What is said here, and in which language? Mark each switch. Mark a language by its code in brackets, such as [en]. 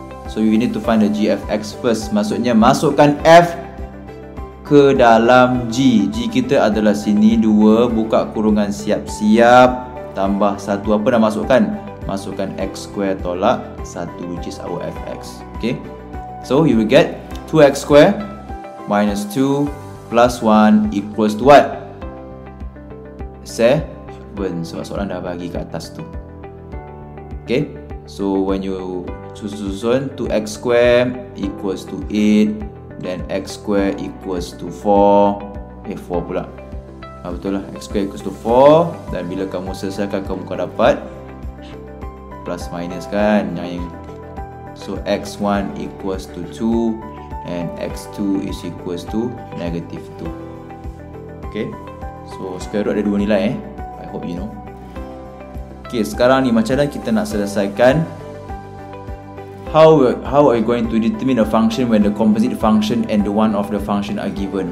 [en] So you need to find the GFX first. [ms] Maksudnya masukkan F ke dalam G. G kita adalah sini 2, buka kurungan siap-siap, tambah 1, apa nak masukkan? Masukkan X square tolak 1, [en] which is our FX. Okay, so you will get 2X square minus 2 plus 1 equals to what? 7. [ms] Sebab soalan dah bagi kat atas tu. [en] Okay, so when you susun 2X square equals to 8, then X square equals to 4. 4 pula. [ms] Ha, betul lah, [en] X square equals to 4. [ms] Dan bila kamu selesaikan, kamu akan dapat plus minus kan. [en] So X1 equals to 2 and X2 is equals to negative 2. Okay, so square root [ms] ada dua nilai eh. [en] I hope you know. Okay, [ms] sekarang ni macam mana kita nak selesaikan? [en] How are you going to determine a function when the composite function and the one of the function are given?